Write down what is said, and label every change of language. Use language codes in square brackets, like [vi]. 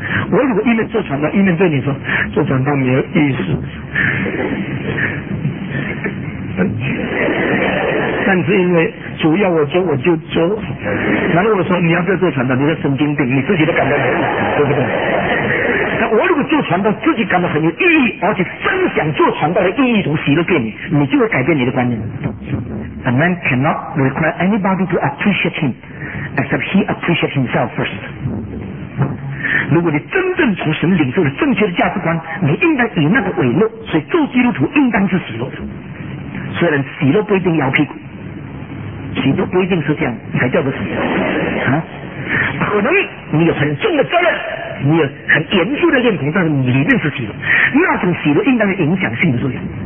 [zh] 我如果一面做传道，一面对你说做传道没有意思，但是因为主要我做我就做，然后我说你要不要做传道，你是神经病，你自己都感到对不对？那我如果做传道，自己感到很有意义，而且分享做传道的意义，同喜乐给你，你就会改变你的观念。 [en] A man cannot require anybody to appreciate him, except he appreciates himself first. [zh] 如果你真正从神领受了正确的价值观，你应该以那个为乐，所以做基督徒应当是喜乐。虽然喜乐不一定摇屁股，喜乐不一定是这样才叫做喜乐啊。可能你有很重的责任，你有很严肃的认同，但是你里面是喜乐，那种喜乐应当有影响性的作用。